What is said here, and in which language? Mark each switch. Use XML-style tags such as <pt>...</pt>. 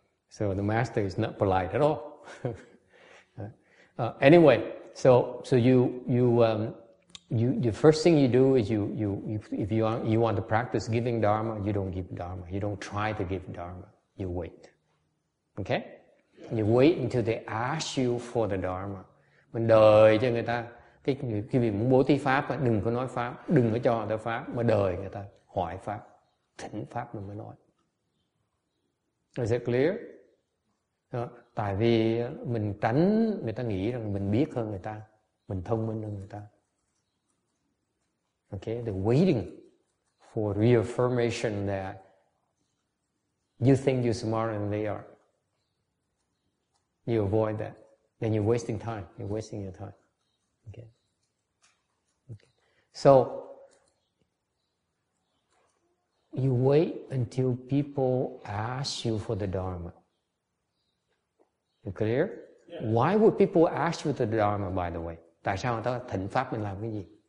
<en>So the master is not polite at all. Anyway, the first thing you do is you want to practice giving dharma, you don't give dharma. You don't try to give dharma. You wait. Okay? You wait until they ask you for the dharma.</en> <vi>Mình đợi cho người ta, cái việc muốn bố thí pháp, đừng có nói pháp, đừng có cho người ta pháp, mà đợi người ta hỏi pháp, thỉnh pháp mình mới nói.</vi> <en>Is it clear?</en> <vi>Đó, tại vì mình tránh người ta nghĩ rằng mình biết hơn người ta, mình thông minh hơn người ta.</vi> <en>Okay, they're waiting for reaffirmation that you think you're smarter than they are. You avoid that. Then you're wasting time. You're wasting your time. Okay. So, you wait until people ask you for the dharma. You clear? Yeah. Why would people ask you for the dharma, by the way?</en> <vi>Tại sao người ta thỉnh pháp mình làm cái gì?</vi>